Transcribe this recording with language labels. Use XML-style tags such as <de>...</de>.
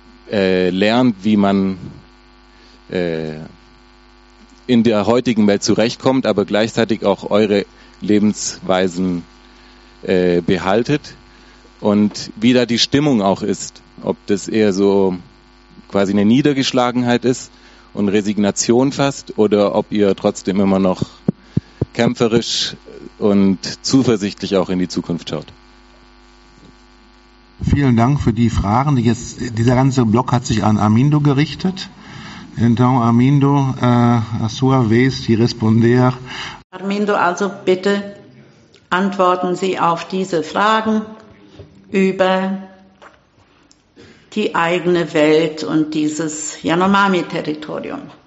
<de>lernt, wie man in der heutigen Welt zurechtkommt, aber gleichzeitig auch eure Lebensweisen behaltet und wie da die Stimmung auch ist, ob das eher so quasi eine Niedergeschlagenheit ist und Resignation fast oder ob ihr trotzdem immer noch kämpferisch und zuversichtlich auch in die Zukunft schaut. Vielen Dank für die Fragen. Dieser ganze Block hat sich an Armindo gerichtet.</de> <pt>Então, Armindo, a sua vez de responder.</pt> <de>Armindo, also bitte antworten Sie auf diese Fragen über die eigene Welt und dieses Yanomami-Territorium.</de>